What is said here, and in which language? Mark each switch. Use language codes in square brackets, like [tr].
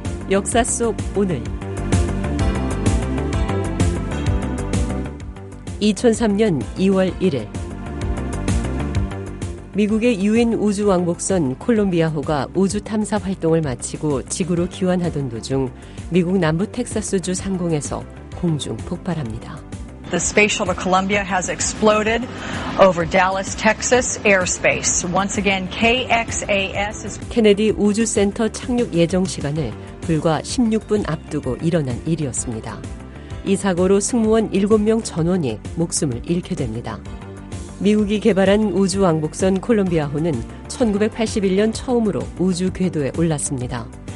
[ko] 역사 속 오늘 2003년 2월 1일 미국의 유엔 우주왕복선 콜롬비아호가 우주탐사 활동을 마치고 지구로 귀환하던 도중 미국 남부 텍사스주 상공에서 공중 폭발합니다. [en] The space shuttle Columbia has exploded over Dallas, Texas airspace. Once again, KXAS is [ko] 케네디 우주센터 착륙 예정 시간을 불과 16분 앞두고 일어난 일이었습니다. 이 사고로 승무원 7명 전원이 목숨을 잃게 됩니다. 미국이 개발한 우주왕복선 콜롬비아호는 1981년 처음으로 우주 궤도에 올랐습니다.